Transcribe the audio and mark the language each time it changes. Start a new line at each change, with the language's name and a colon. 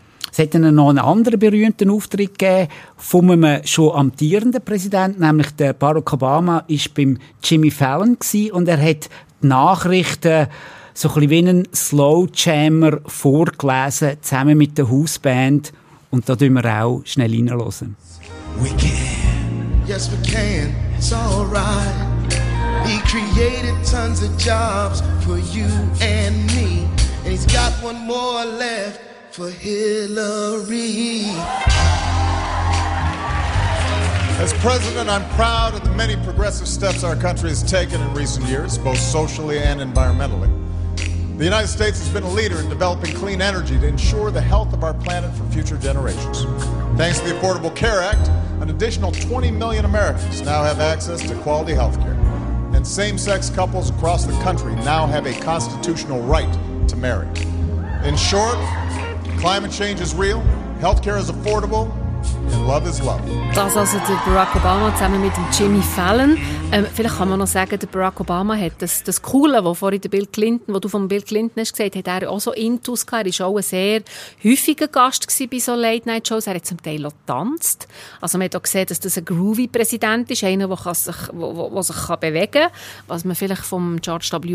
German: Es hat dann noch einen anderen berühmten Auftritt gegeben von einem schon amtierenden Präsidenten, nämlich der Barack Obama war beim Jimmy Fallon und er hat die Nachrichten so ein bisschen wie einen Slowjammer vorgelesen, zusammen mit der Hausband. Und da tun wir auch schnell reinhören.
English: We can, yes we can, it's alright. He created tons of jobs for you and me. And he's got one more left for Hillary. As president, I'm proud of the many progressive steps our country has taken in recent years, both socially and environmentally. The United States has been a leader in developing clean energy to ensure the health of our planet for future generations. Thanks to the Affordable Care Act, an additional 20 million Americans now have access to quality health care. And same-sex couples across the country now have a constitutional right to marry. In short, climate change is real, healthcare is affordable, and love is love.
German: Das also der Barack Obama zusammen mit dem Jimmy Fallon. Vielleicht kann man noch sagen, der Barack Obama hat das Coole, was vorhin der Bill Clinton, was du von Bill Clinton hast gesagt, hat er auch so intus gehabt. Er war auch ein sehr häufiger Gast bei so Late-Night-Shows. Er hat zum Teil auch getanzt. Also man hat auch gesehen, dass das ein groovy Präsident ist, einer, der sich bewegen kann, was man vielleicht vom George W.